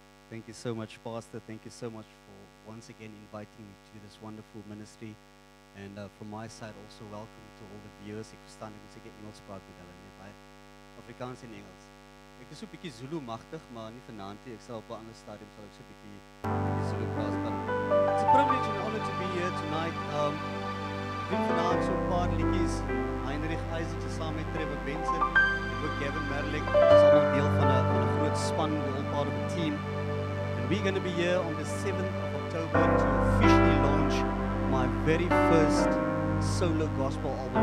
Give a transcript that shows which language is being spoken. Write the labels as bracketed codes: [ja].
[en] Thank you so much, Pastor. Thank you so much for once again inviting me to this wonderful ministry. And from my side, also welcome to all the viewers. [af] Ek verstaan ek moet seker Engels praat met hulle nie, baie Afrikaans en Engels. Ek is so 'n bietjie Zulu magtig, maar nie vanaand nie. Ek sal op 'n ander stadium sal ek so 'n bietjie Zulu praat. [en] But it's a privilege and honor to be here tonight. [af] Doen vanaand so 'n paar liedjies. Heinrich Isaac saam met Trevor Benson en ook Gavin Merlick. Ons is al deel van 'n groot span, deel van 'n team. [en] And we're going to be here on the 7th of October to officially launch my very first solo gospel album.